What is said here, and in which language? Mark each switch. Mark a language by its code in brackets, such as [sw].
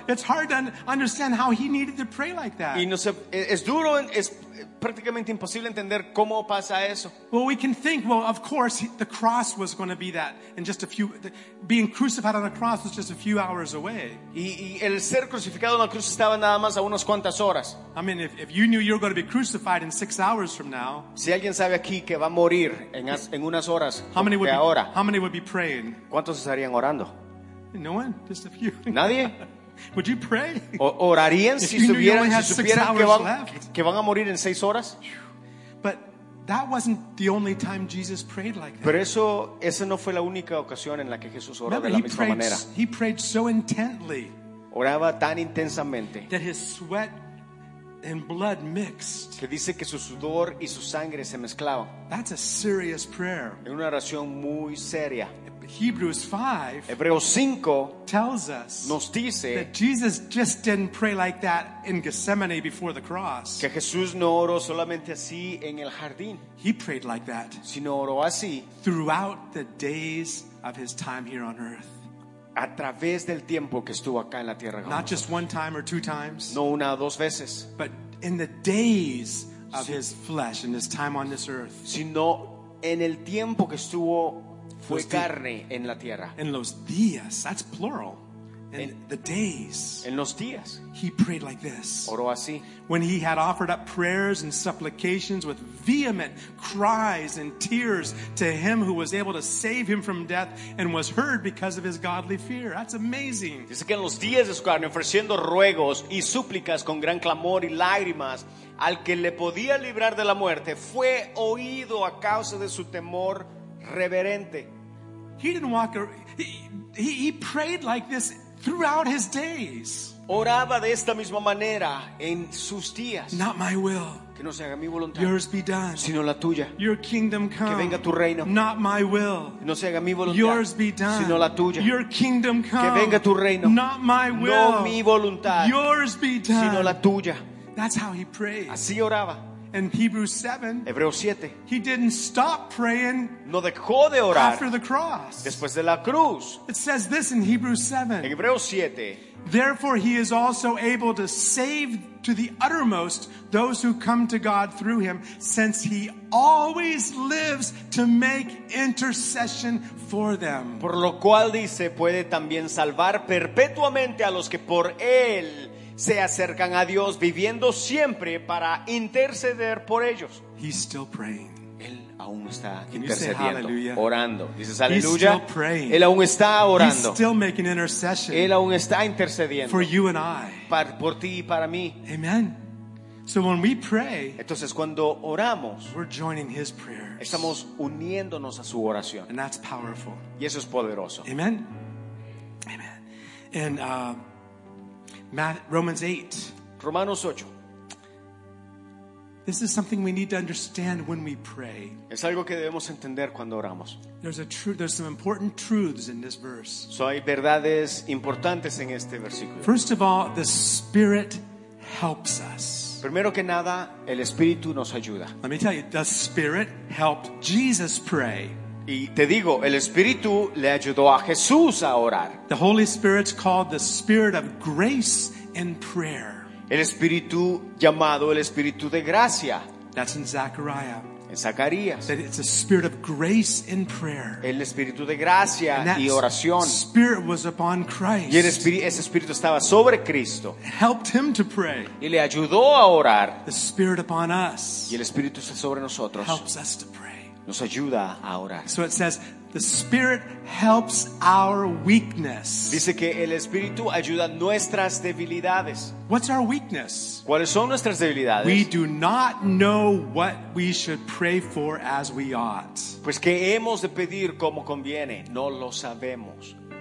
[en] It's hard to understand how he needed to pray like that. [es] Y no sé, es duro, es prácticamente imposible entender cómo pasa eso. [en] Well, we can think, well, of course, the cross was going to be that, and just a few, being crucified on a cross was just a few hours away. [es] Y el ser crucificado en la cruz estaba nada más a unas cuantas horas. [en] I mean, if you knew you were going to be crucified in 6 hours from now. [es] Si alguien sabe aquí que va a morir en unas horas de ahora. [en] How many would be praying? [es] ¿Cuántos estarían orando? [en] No one, just a few. [es] Nadie. [en] Would you pray? [es] ¿Orarían si supieran que van a morir en 6 horas? [en] But that wasn't the only time Jesus prayed like that. [es] Pero esa no fue la única ocasión en la que Jesús oró de la misma manera. [en] He prayed so intently. [es] Oraba tan intensamente. [en] That his sweat and blood mixed. [es] Que dice que su sudor y su sangre se mezclaban. [en] That's a serious prayer. [es] Es una oración muy seria. [en] Hebrews 5, [es] Hebreos 5 [en] tells us [es] nos dice [en] that Jesus just didn't pray like that in Gethsemane before the cross. [es] Que Jesús no oró solamente así en el jardín. [en] He prayed like that, [es] sino oró así [en] throughout the days of his time here on earth. [es] A través del tiempo que estuvo acá en la tierra. [en] Not just one time or two times. [es] No una o dos veces. [en] But in the days of his flesh and his time on this earth. [es] Sino en el tiempo que estuvo. Fue carne en la tierra. [en] In [es] los días, [en] that's plural. In the days. [es] En los días. [en] He prayed like this. [es] Oró así. [en] When he had offered up prayers and supplications with vehement cries and tears to him who was able to save him from death and was heard because of his godly fear. That's amazing. [es] Dice que en los días de su carne, ofreciendo ruegos y súplicas con gran clamor y lágrimas al que le podía librar de la muerte, fue oído a causa de su temor. Reverente. [en] He didn't walk around. He prayed like this throughout his days. [es] Oraba de esta misma manera en sus días. [en] Not my will. [es] Que no se haga mi voluntad. [en] Yours be done. [es] Sino la tuya. [en] Your kingdom come. [es] Que venga tu reino. [en] Not my will. [es] Que no se haga mi voluntad. [en] Yours be done. [es] Sino la tuya. [en] Your kingdom come. [es] Que venga tu reino. [en] Not my will. [es] No mi voluntad. [en] Yours be done. [es] Sino la tuya. [en] That's how he prayed. [es] Así oraba. [en] In Hebrews 7, [es] Hebreos 7, [en] he didn't stop praying. [es] No dejó de orar. [en] After the cross, [es] después de la cruz, [en] it says this in Hebrews 7. [es] En Hebreos 7, [en] therefore he is also able to save to the uttermost those who come to God through him, since he always lives to make intercession for them. [es] Por lo cual dice puede también salvar perpetuamente a los que por él se acercan a Dios viviendo siempre para interceder por ellos. [en] He's still praying. [es] Él aún está intercediendo, orando. Dices aleluya. [en] He's still praying. [es] Él aún está orando. [en] He's still making intercession. [es] Él aún está intercediendo. [en] For you and I. [es] Por ti y para mí. [en] Amen. So when we pray, [es] entonces cuando oramos, [en] we're joining his prayers. [es] Estamos uniéndonos a su oración. [en] And that's powerful. [es] Y eso es poderoso. [en] Amen. Amen. And Romans 8. [es] Romanos 8. [en] This is something we need to understand when we pray. [es] Es algo que debemos entender cuando oramos. [en] There's some important truths in this verse. [es] So hay verdades importantes en este versículo. [en] First of all, the Spirit helps us. [es] Primero que nada, el Espíritu nos ayuda. [en] Let me tell you, the Spirit helped Jesus pray. [es] Y te digo, el Espíritu le ayudó a Jesús a orar. [en] The Holy Spirit's called the Spirit of grace and prayer. [es] El Espíritu llamado el Espíritu de gracia. [en] That's in Zechariah. [es] en Zacarías. [en] That it's a spirit of grace in prayer. [es] El espíritu de gracia y oración. [en] Spirit was upon Christ. [es] Y ese espíritu estaba sobre Cristo. [en] Helped him to pray. [es] Y le ayudó a orar. [en] The spirit upon us. [es] Y el espíritu está sobre nosotros. [en] Helps us to pray. [es] Nos ayuda a orar. [en] So it says, the Spirit helps our weakness. [es] Dice que el Espíritu ayuda nuestras debilidades. [en] What's our weakness? [es] ¿Cuáles son nuestras debilidades? [en] We do not know what we should pray for as we ought. [es] Pues que hemos de pedir como conviene, no lo sabemos.